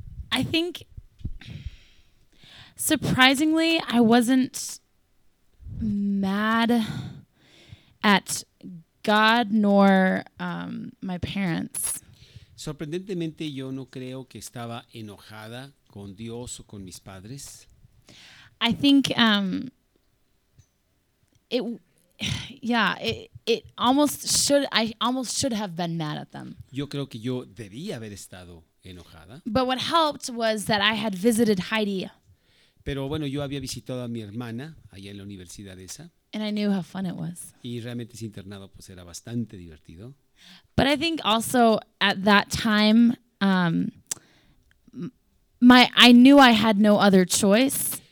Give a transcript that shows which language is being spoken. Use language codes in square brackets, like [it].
[en] I think, surprisingly, I wasn't mad at God nor my parents. [es] Sorprendentemente, yo no creo que estaba enojada con Dios o con mis padres. [en] I think I almost should have been mad at them. [es] Yo creo que yo debía haber estado enojada. [en] But what helped was that I had visited Heidi. [es] Pero bueno, yo había visitado a mi hermana allá en la universidad esa. [en] And I knew how fun it was. [es] Y realmente ese internado pues era bastante divertido. [en] But I think also at that time, I knew I had no other choice.